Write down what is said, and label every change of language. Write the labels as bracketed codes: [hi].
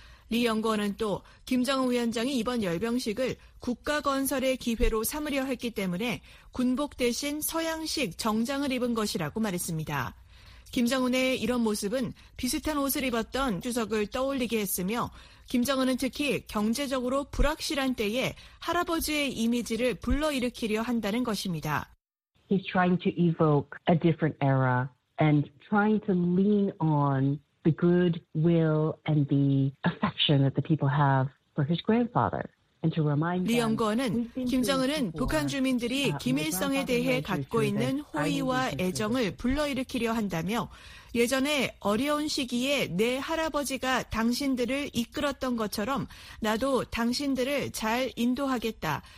[ko] 리 연구원은 또 김정은 위원장이 이번 열병식을 국가 건설의 기회로 삼으려 했기 때문에 군복 대신 서양식 정장을 입은 것이라고 말했습니다. 김정은의 이런 모습은 비슷한 옷을 입었던 주석을 떠올리게 했으며 김정은은 특히 경제적으로 불확실한 때에 할아버지의 이미지를 불러일으키려 한다는 것입니다. [en] He's trying to evoke a different era and trying to lean on the goodwill and the affection that the people have for his grandfather. [ko] 리 연구원은 김정은은 북한 주민들이 김일성에 대해 갖고 있는 호의와 애정을 불러일으키려 한다며 예전에 어려운 시기에 내 할아버지가 당신들을 이끌었던 것처럼 나도 당신들을 잘 인도하겠다.